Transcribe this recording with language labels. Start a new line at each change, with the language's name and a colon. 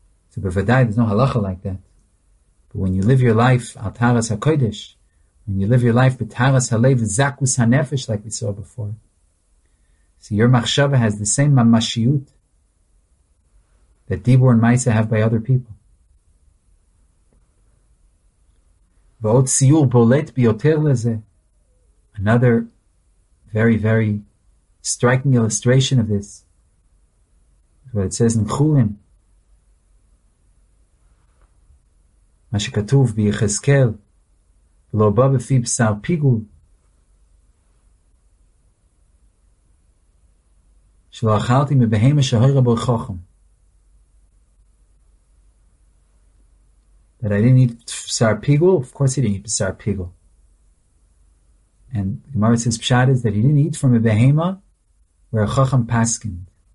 English: So bevadai, there's no halacha like that. But when you live your life
Hebrew: al taras hakodesh,
English: when you live your life
Hebrew: b'taras halev zakus hanefesh,
English: like we saw before, so your machshava has the same mamashiyut that dibur and maisa have by other people.
Hebrew: Ve'ot siyur bolet biyoter leze,
English: another very, very striking illustration of this, is what it says in Chulin.
Hebrew: מה שכתוב ביחזקאל, ולא בא בפי בשר פיגול, שלא אכלתי מבהמה שהורה בו חוכם.
English: But I didn't eat בשר פיגול, of course he didn't eat בשר פיגול. And the Gemara says פשט is that he didn't eat from a behema where a chocham paskined.